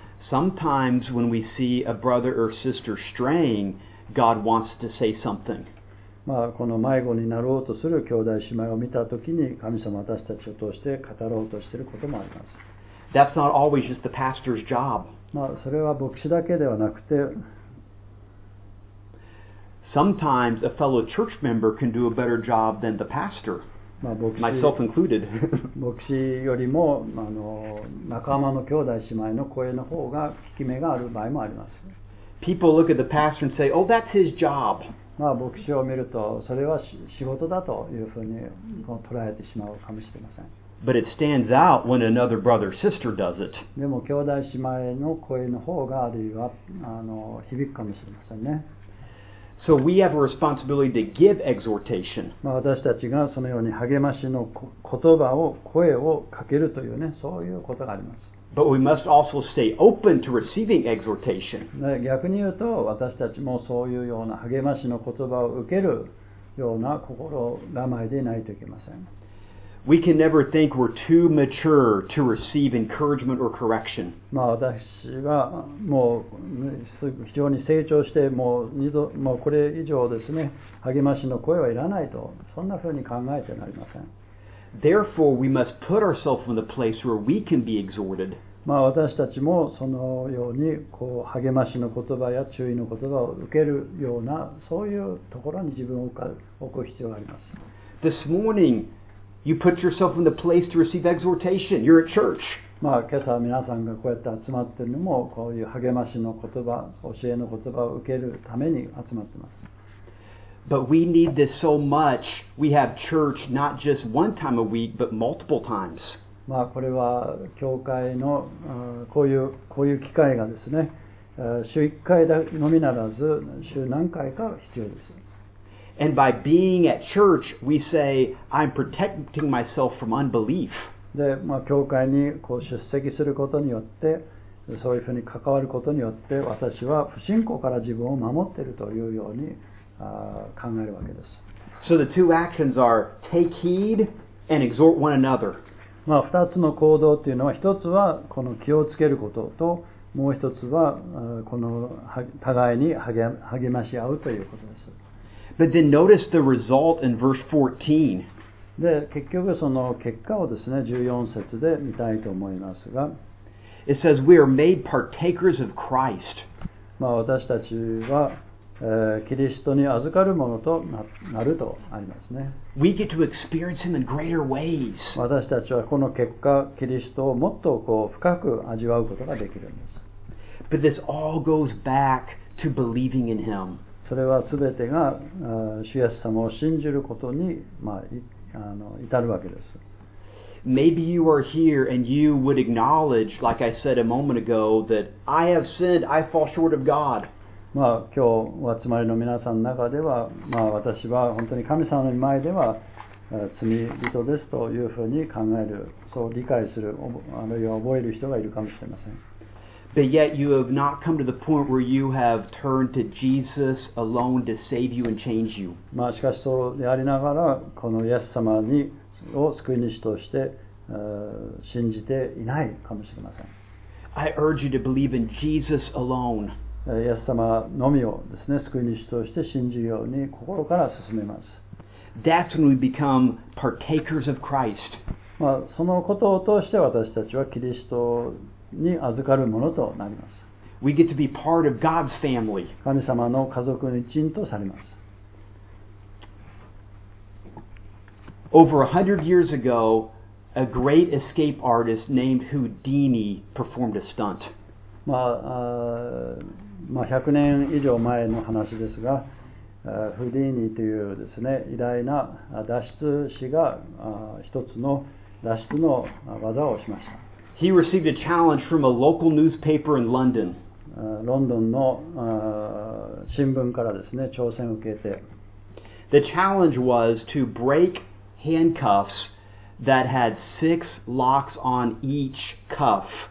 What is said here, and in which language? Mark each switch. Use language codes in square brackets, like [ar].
[en] Sometimes when we see a brother or sister straying, God wants to say something. [ja] まあ、この迷子になろうとする兄弟姉妹を見たときに、神様は私たちを通して語ろうとしていることもあります。 [en] That's not always just the pastor's job. [ja] まあ、それは牧師だけではなくて、 [en] Sometimes a fellow church member can do a better job than the pastor. まあ、 myself included. [ja] 牧師よりも仲間の兄弟姉妹の声の方が効き目がある場合もあります。 [en] People look at the pastor and say, oh, that's his job. [ja] まあ、牧師を見ると、それは仕事だというふうに捉えてしまうかもしれません。 [en] But it stands out when another brother or sister does it. [ja] でも、兄弟姉妹の声の方があるいは響くかもしれませんね。 [en] So we have a responsibility to give exhortation. [ja] まあ、私たちがそのように励ましの言葉を声をかけるというね、そういうことがあります。 [en] But we must also stay open to receiving exhortation. [ja] 逆に言うと、私たちもそういうような励ましの言葉を受けるような心構えでないといけません。 [en] We can never think we're too mature to receive encouragement or correction. [ja] まあ、私はもう非常に成長して、もう二度、もうこれ以上ですね、励ましの声はいらないと、そんなふうに考えてなりません。 [en] Therefore, we must put ourselves in the place where we can be exhorted. [ja] まあ、私たちもそのようにこう励ましの言葉や注意の言葉を受けるような、そういうところに自分を置く必要があります。 [en] This morning,You put yourself in the place to receive exhortation. You're at church. [ja] まあ、今朝皆さんがこうやって集まっているのも、こういう励ましの言葉、教えの言葉を受けるために集まっています。 [en] But we need this so much. We have church not just one time a week, but multiple times. [ja] まあ、これは教会のこういう機会がですね、週1回のみならず、週何回か必要です。 [en] And by being at church, we say, I'm protecting myself from unbelief. [ja] で、まあ、教会にこう出席することによって、そういうふうに関わることによって、私は不信仰から自分を守っているというように考えるわけです。 [en] So the two actions are, take heed and exhort one another. [ja] まあ、二つの行動というのは、一つはこの気をつけることと、もう一つはこの互いに励まし合うということです。 [en] But then notice the result in verse 14. [ja] で、結局その結果をですね、14節で見たいと思いますが。 [en] It says, we are made partakers of Christ. [ja] まあ、私たちは、キリストに預かるものとなるとありますね。 [en] We get to experience him in greater ways. [ja] 私たちはこの結果、キリストをもっとこう深く味わうことができるんです。 [en] But this all goes back to believing in him. [ja] それはすべてが主イエス様を信じることに、まあ、至るわけです。 [en] Maybe you are here and you would acknowledge, like I said a moment ago, that I have sinned, I fall short of God. [ja] まあ、今日お集まりの皆さんの中では、まあ、私は本当に神様の前では罪人ですというふうに考える、そう理解する、あるいは覚える人がいるかもしれません。 [en] But yet you have not come to the point where you have turned to Jesus alone to save you and change you. [ja] まあしかしそうでありながら、このイエス様にを救い主として、信じていないかもしれません。 [en] I urge you to believe in Jesus alone. [ja] イエス様のみをですね、救い主として信じるように心から進めます。 [en] That's when we become partakers of Christ. [ja] まあそのことを通して私たちはキリストに預かるものとなります。 [en] We get to be part of God's family. [ja] 神様の家族の一員とされます。 [en] Over 100 years ago, a great escape artist named Houdini performed a stunt. [ja] まあ、100年以上前の話ですが、フーディーニというですね、偉大な脱出士が一つの脱出の技をしました。 [en] He received a challenge from a local newspaper in London. [ja] ロンドンの新聞からですね、挑戦を受けて。 [en] The challenge was to break handcuffs that had six locks on each cuff.